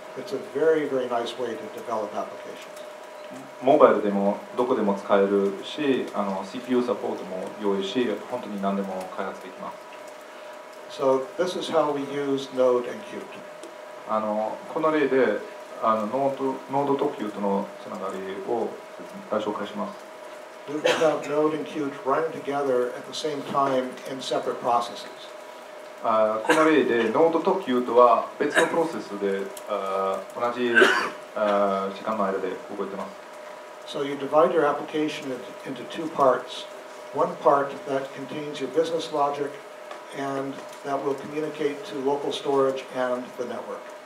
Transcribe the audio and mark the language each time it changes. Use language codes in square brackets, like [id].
[en] It's a very, very nice way to develop applications. [ja] モバイルでもどこでも使えるし、CPU サポートも良いし、本当に何でも開発できます。 [en] So this is how we use Node and Qt. [ja] この例で、Node と Qt のつながりを紹介します。 [en] We have Node and Qt running together at the same time in separate processes. [ja] この例で Node と Qt は別のプロセスで同じ時間の間で動いてます。 [en] So you divide your application into two parts. One part that contains your business logic and that will communicate to local storage and the network.